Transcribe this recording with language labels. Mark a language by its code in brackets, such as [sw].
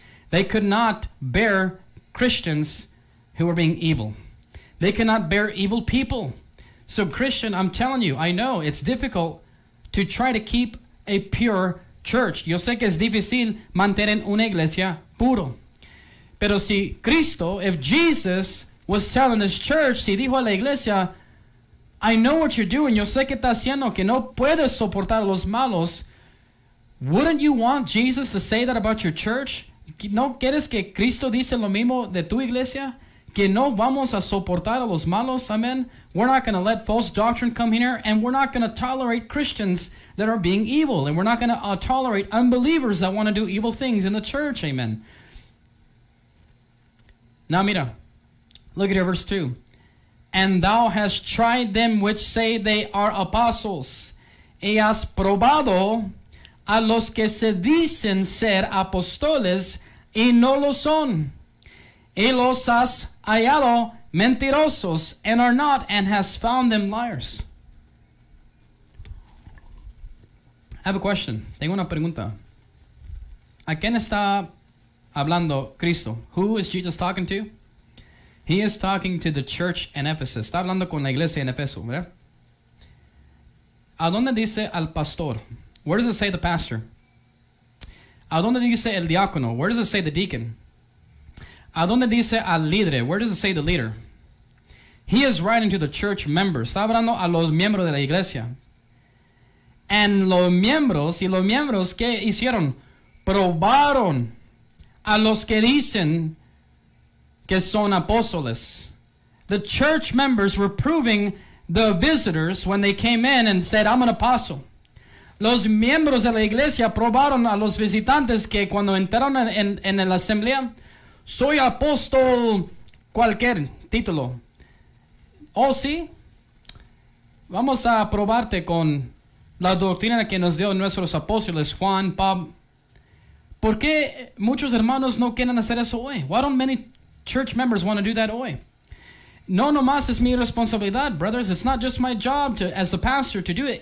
[en] They could not bear Christians who were being evil. They cannot bear evil people. So Christian, I'm telling you, I know it's difficult to try to keep a pure church. [es] Yo sé que es difícil mantener una iglesia puro. Pero si Cristo, [en] if Jesus was telling his church, [es] si dijo a la iglesia, [en] I know what you're doing, [es] yo sé que está haciendo, que no puedes soportar los malos, [en] wouldn't you want Jesus to say that about your church? [es] ¿No quieres que Cristo dice lo mismo de tu iglesia? Que no vamos a soportar a los malos, amen. [en] We're not going to let false doctrine come in here, and we're not going to tolerate Christians that are being evil, and we're not going to tolerate unbelievers that want to do evil things in the church, amen. Now mira, look at verse 2. And thou hast tried them which say they are apostles, [es] y has probado a los que se dicen ser apóstoles y no lo son, y los has hallado mentirosos [en] and are not, and has found them liars. I have a question. [es] Tengo una pregunta. ¿A quién está hablando Cristo? [en] Who is Jesus talking to? He is talking to the church in Ephesus. [es] Está hablando con la iglesia en Éfeso, ¿verdad? ¿A dónde dice al pastor? [en] Where does it say the pastor? [es] ¿A dónde dice el diácono? [en] Where does it say the deacon? [es] ¿A dónde dice al líder? [en] Where does it say the leader? He is writing to the church members. [es] Está hablando a los miembros de la iglesia. And los miembros, ¿y los miembros qué hicieron? Probaron a los que dicen que son apóstoles. [en] The church members were proving the visitors when they came in and said, I'm an apostle. [es] Los miembros de la iglesia probaron a los visitantes que cuando entraron en la asamblea, soy apóstol cualquier título. Oh, sí. Vamos a probarte con la doctrina que nos dio nuestros apóstoles, Juan, Pablo. ¿Por qué muchos hermanos no quieren hacer eso hoy? [en] Why don't many church members want to do that hoy? [es] No nomás es mi responsabilidad, [en] brothers. It's not just my job as the pastor to do it.